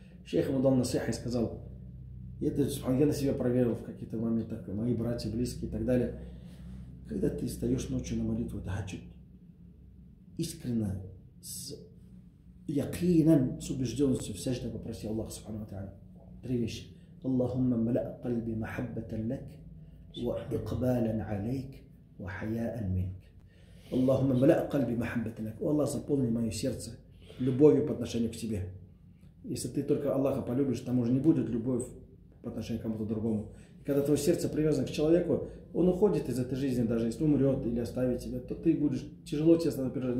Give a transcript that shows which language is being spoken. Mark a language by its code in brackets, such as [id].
[ru] Шейх ему дал насиха и сказал, я на себя проверил в какие-то моменты, мои братья, близкие и так далее. Когда ты встаешь ночью на молитву, да, чуть искренне, с якином, с убежденностью, в сажде попроси Аллах Субхану Та'аля. Три вещи. [ar] اللهم ملأ قلبي محبة لك وإقبالا عليك وحياء منك. اللهم ملأ قلبي محبة لك. [ru] О Аллах, заполни мое сердце любовью по отношению к тебе. Если ты только Аллаха полюбишь, там уже не будет любовь по отношению к кому-то другому. Когда твое сердце привязано к человеку, он уходит из этой жизни, даже если умрет или оставит тебя, то ты будешь тяжело тебе становиться переживать.